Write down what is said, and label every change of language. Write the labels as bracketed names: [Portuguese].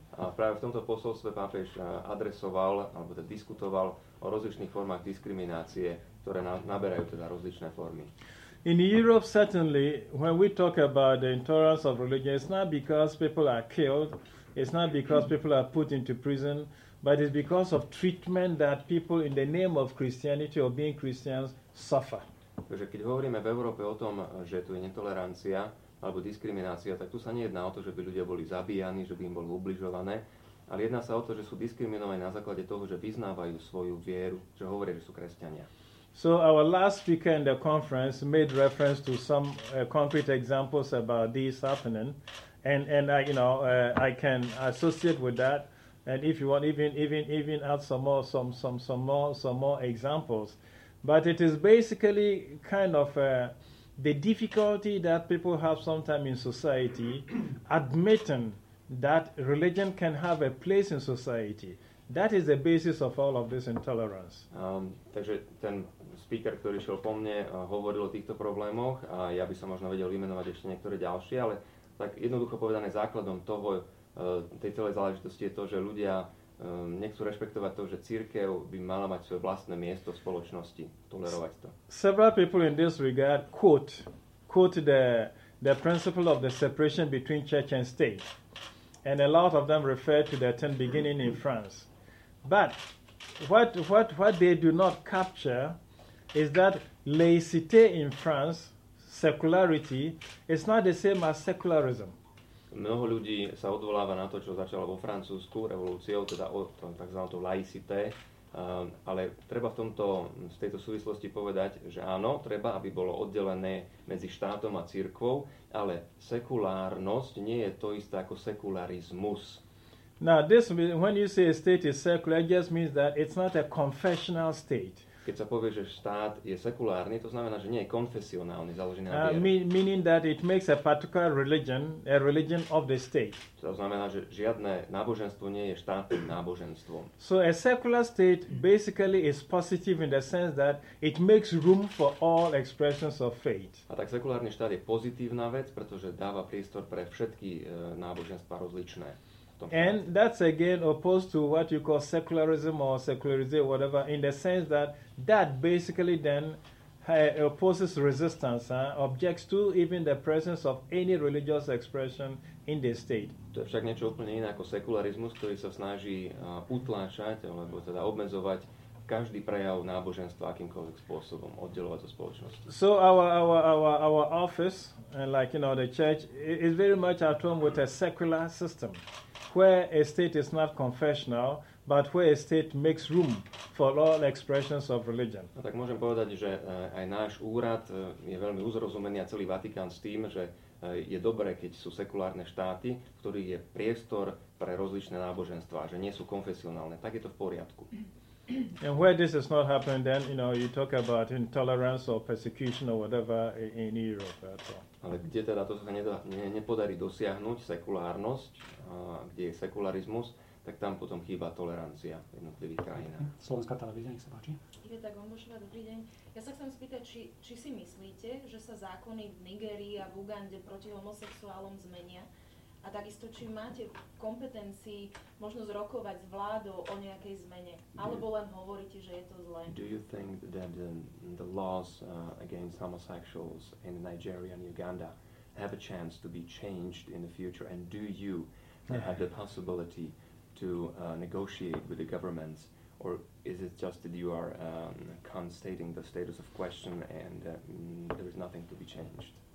[Slovak] A práve v tomto posolstve pápež adresoval alebo teda diskutoval o rozličných formách diskriminácie, ktoré naberajú teda rozličné formy. [English] In Europe certainly when we talk about the intolerance of religion, it's not because people are killed, it's not because people are put into prison, but it's because of treatment that people in the name of Christianity or being Christians suffer. [Slovak] Takže keď hovoríme v Európe o tom, že tu je netolerancia alebo diskriminácia, tak tu sa nejedná o to, že by ľudia boli zabíjani, že by im bolo ubližované, ale jedná sa o to, že sú diskriminovaní na základe toho, že vyznávajú svoju vieru, že hovoria, že sú kresťania. [English] So our last speaker in the conference made reference to some concrete examples about this happening, and I can associate with that, and if you want even add some more examples. But it is basically kind of the difficulty that people have sometimes in society admitting that religion can have a place in society. That is the basis of all of this intolerance. [Slovak] Takže ten speaker, ktorý šiel po mne, hovoril o týchto problémoch a ja by som možno vedel vymenovať ešte niektoré ďalšie, ale tak jednoducho povedané základom toho tej celej záležitosti je to, že ľudia nechcú rešpektovať to, že cirkev by mala mať svoje vlastné miesto v spoločnosti, tolerovať to. [English] Several people in this regard quote quote the principle of the separation between church and state, and a lot of them refer to the 10 beginning in France. But what they do not capture is that laïcité in France, secularity, is not the same as secularism. [Slovak] Mnoho ľudí sa odvoláva na to, čo začalo vo Francúzsku revolúciou, teda takzvanou laïcité, ale treba v tejto súvislosti povedať, že áno, treba, aby bolo oddelené medzi štátom a cirkvou, ale sekulárnosť nie je to isté ako sekularizmus. [English] Now, this, when you say a state is secular, it just means that it's not a confessional state. [Slovak] Keď sa povie, že štát je sekulárny, to znamená, že nie je konfesionálny, založený na viere. [English] Meaning that it makes a particular religion a religion of the state. [Slovak] To znamená, že žiadne náboženstvo nie je štátnym náboženstvom. [English] So a secular state basically is positive in the sense that it makes room for all expressions of faith. [Slovak] A tak sekulárny štát je pozitívna vec, pretože dáva priestor pre všetky náboženstva rozličné. [English] And that's again opposed to what you call secularism or secularism, whatever, in the sense that that basically then opposes resistance, objects to even the presence of any religious expression in the state. [Slovak] To je však niečo úplne iné ako sekularizmus, ktorý sa snaží utláčať, alebo teda obmedzovať každý prejav náboženstva akýmkoľvek spôsobom, oddeľovať to spoločnosti. [English] So our office, and like, you know, the church, is very much at home with a secular system, where a state is not confessional, but where a state makes room for all expressions of religion. [Slovak] No, tak môžem povedať, že aj náš úrad je veľmi uzrozumený a celý Vatikán s tým, že je dobré, keď sú sekulárne štáty, ktorý je priestor pre rozličné náboženstvá, že nie sú konfesionálne. Tak je to v poriadku. [English] And where this is not happening, then, you know, you talk about intolerance or persecution or whatever in Europe at all. [Slovak] Ale kde teda to sa nepodarí dosiahnuť, sekulárnosť, kde je sekularizmus, tak tam potom chýba tolerancia v jednotlivých krajinách. Slovenská televízia, nech sa páči. Iveta Gombošová, dobrý deň. Ja sa chcem spýtať, či si myslíte, že sa zákony v Nigerii a v Ugande proti homosexuálom zmenia? A takisto, či máte kompetencii možnosť rokovať s vládou o nejakej zmene? Alebo len hovoríte, že je to zlé? [English] Do you think that the laws against homosexuals in Nigeria and Uganda have a chance to be changed in the future? And do you have the possibility to negotiate with the governments? Or is it just that you are constating the status of question and there is nothing to be changed?